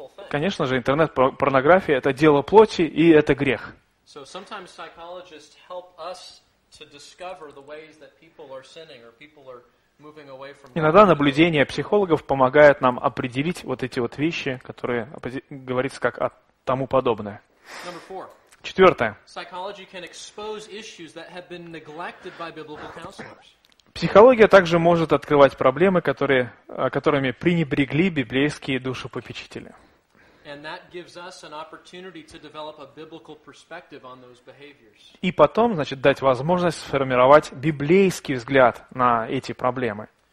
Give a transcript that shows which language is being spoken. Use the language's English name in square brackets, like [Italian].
[Russian] Конечно же, интернет-порнография — это дело плоти, и это грех. [English] So sometimes psychologists help us to discover the ways that people are sinning or people are moving away from. [Russian] Иногда наблюдение психологов помогает нам определить вот эти вот вещи, которые говорится как о тому подобное. [English] Number four. [Russian] Четвертое. [English] Psychology can expose issues that have been neglected by biblical counselors. [Russian] Психология также может открывать проблемы, которыми пренебрегли библейские душепопечители. [English] And that gives us an opportunity to develop a biblical perspective on those behaviors. [Russian] И потом, значит, дать возможность сформировать библейский взгляд на эти проблемы.